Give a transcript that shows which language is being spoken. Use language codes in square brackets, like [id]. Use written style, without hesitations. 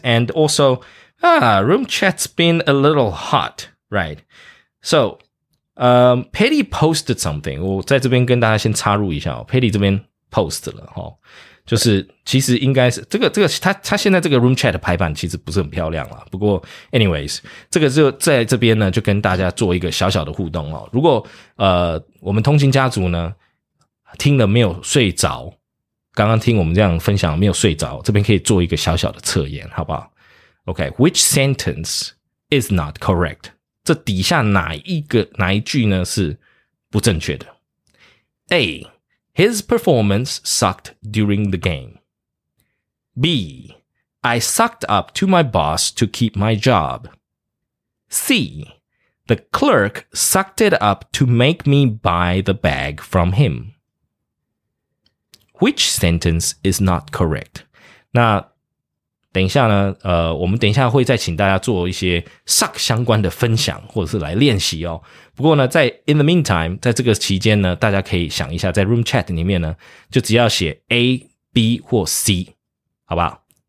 [en] And also, room chat's been a little hot, right? So, Patty posted something. [zh] 我在这边跟大家先插入一下，Patty 这边post 了，就是其实应该是这个他现在这个 room chat 排版其实不是很漂亮啦，不过 anyways, 这个就在这边呢就跟大家做一个小小的互动，如果我们通勤家族呢听了没有睡着，刚刚听我们这样分享没有睡着，这边可以做一个小小的测验好不好？ [en] OK, which sentence is not correct? [zh] 这底下哪一句呢是不正确的？ [en] A,His performance sucked during the game. B, I sucked up to my boss to keep my job. C, the clerk sucked it up to make me buy the bag from him. Which sentence is not correct? [zh] 那等一下呢，我们等一下会再请大家做一些 suck 相关的分享或者是来练习哦。不过呢，在 [en] in the meantime, [zh] 在这个期间呢，大家可以想一下，在 room chat 里面呢就只要写 A, B 或 C, 好不好？